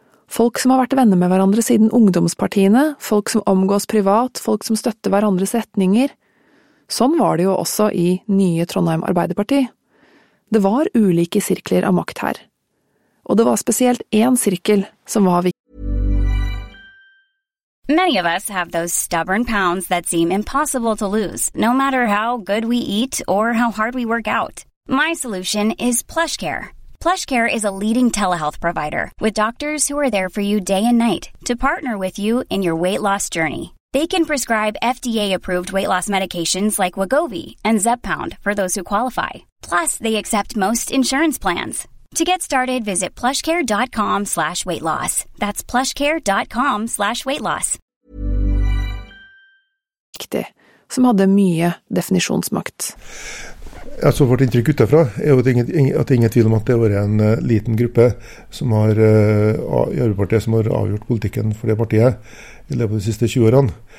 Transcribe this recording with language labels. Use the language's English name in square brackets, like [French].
[Norwegian] Folk som har vært venner med hverandre siden ungdomspartiene, folk som omgås privat, folk som støtter hverandres retninger. Sånn var det jo også i nye Trondheim Arbeiderparti. Det var ulike sirkler av makt her. Og det var spesielt én sirkel som var viktig. [English] Many of us have those stubborn pounds that seem impossible to lose, no matter how good we eat or how hard we work out. My solution is PlushCare. PlushCare is a leading telehealth provider with doctors who are there for you day and night to partner with you in your weight loss journey. They can prescribe FDA-approved weight loss medications like Wegovy and Zepbound for those who qualify. Plus, they accept most insurance plans. To get started, visit plushcare.com/weightloss. That's plushcare.com/weightloss. [Norwegian] Riktig, som hadde mye definisjonsmakt. Altså, vårt inntrykk utenfra er jo at ingen tvil om at det har vært en liten gruppe som har, i Arbeiderpartiet som har avgjort politikken for det partiet i løpet de siste 20 årene.